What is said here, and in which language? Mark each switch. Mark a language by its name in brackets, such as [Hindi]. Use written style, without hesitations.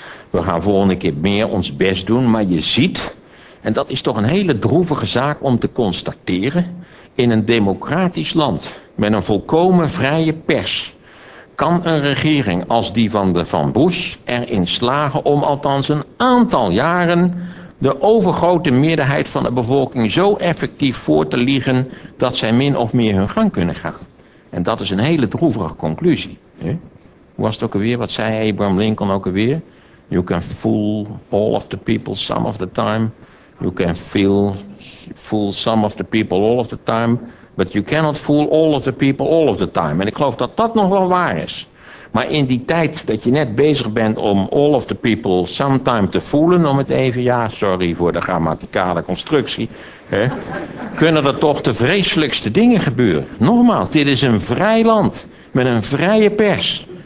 [Dutch] We gaan volgende keer meer ons best doen. Maar je ziet, en dat is toch een hele droevige zaak om te constateren, in een democratisch land met een volkomen vrije pers kan een regering als die van de Van Bush erin slagen om althans een aantal jaren de overgrote meerderheid van de bevolking zo effectief voor te liegen dat zij min of meer hun gang kunnen gaan. En dat is een hele droevige conclusie. Hè? Hoe was het ook alweer? Wat zei Abraham Lincoln ook alweer? [English] You can fool all of the people some of the time. You can fool some of the people all of the time. But you cannot fool all of the people all of the time. [Dutch] En ik geloof dat dat nog wel waar is. Maar in die tijd dat je net bezig bent om [English] all of the people sometime [Dutch] te voelen, om het even, ja, sorry voor de grammaticale constructie, hè, kunnen er toch de vreselijkste dingen gebeuren. Nogmaals, dit is een vrij land met een vrije pers.